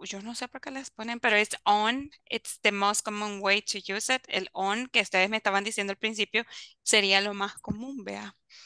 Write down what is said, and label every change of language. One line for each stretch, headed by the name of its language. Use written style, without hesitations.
Spanish: Yo no sé por qué les ponen, pero es on.
English: It's the most common way to use it.
Spanish: El on, que ustedes me estaban diciendo al principio, sería lo más común, vea.